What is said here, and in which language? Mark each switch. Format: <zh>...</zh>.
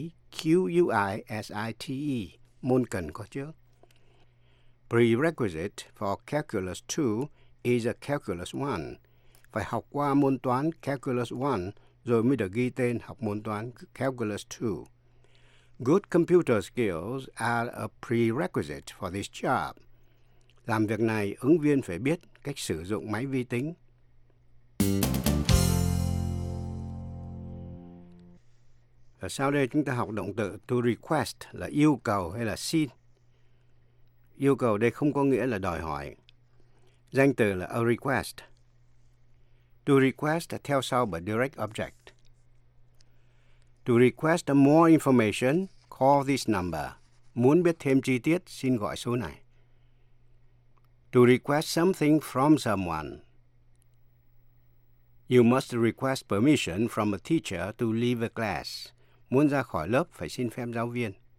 <vi>P-R-E-R-E-Q-U-I-S-I-T-E, môn cần có trước.</vi> <en>Prerequisite for Calculus 2 is a Calculus 1.</en> <vi>Phải học qua môn toán Calculus 1 rồi mới được ghi tên học môn toán Calculus 2.</vi> <en>Good computer skills are a prerequisite for this job.</en> <vi>Làm việc này, ứng viên phải biết cách sử dụng máy vi tính. Và sau đây chúng ta học động từ to request là yêu cầu hay là xin. Yêu cầu đây không có nghĩa là đòi hỏi. Danh từ là a request.</vi> <en>To request</en> <vi>theo sau bởi</vi> <en>direct object. To request more information, call this number.</en> <vi>Muốn biết thêm chi tiết, xin gọi số này.</vi> <en>To request something from someone. You must request permission from a teacher to leave a class.</en> <vi>Muốn ra khỏi lớp, phải xin phép giáo viên.</vi>